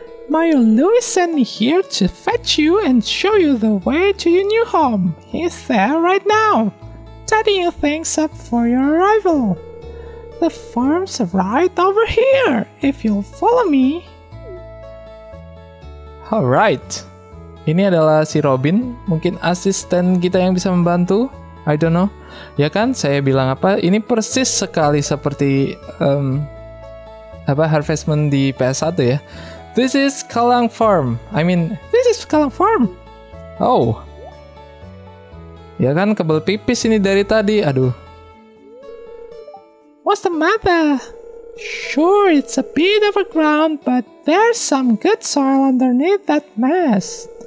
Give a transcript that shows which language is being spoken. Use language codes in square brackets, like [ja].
[en] My Louis sent me here to fetch you and show you the way to your new home. He's there right now, tidying things up for your arrival. The farm's right over here, if you'll follow me. Alright. [id] Ini adalah si Robin, mungkin asisten kita yang bisa membantu. [en] I don't know. [id] Ya kan, saya bilang apa? Ini persis sekali seperti Harvest Moon di PS1 ya. [en] This is Kalang Farm. This is Kalang Farm. Oh. [id] Ya kan, kebel pipis ini dari tadi. Aduh. [en] What's the matter? Sure, it's a bit of a ground, but there's some good soil underneath that mess.